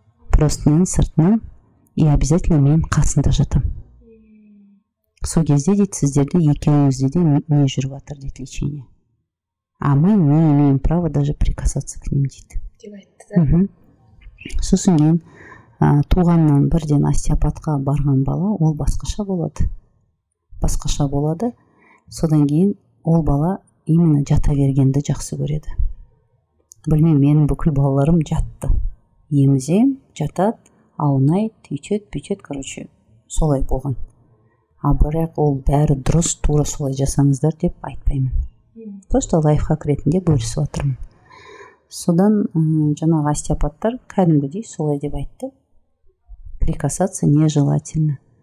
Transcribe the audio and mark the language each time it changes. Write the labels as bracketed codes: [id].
[kk] Простынан сыртынан. И обязательно мен қасында жатам. Сол кезде дейді, сіздерді екеуіңізде де не жүріп жатыр дейді лечение. [ru] А мы не имеем права даже прикасаться к ним, дейді. [kk] Сосын мен туғаннан бірден остеопатқа барған бала, ол басқаша болады. Басқаша болады. Содан кейін ол бала именно жата бергенді жақсы көреді. Білмеймін, менің бүкіл балаларым жатты. Емізем, жатады, аунайды, үйтет, короче, солай болған. А бірақ ол бәрі дұрыс, тура солай жасаңыздар деп айтпаймын. Просто лайфхак ретінде бөлісіп отырмын. Содан жаңағы остеопаттар кәдімгідей солай деп айтты. [ru] Прикасаться нежелательно.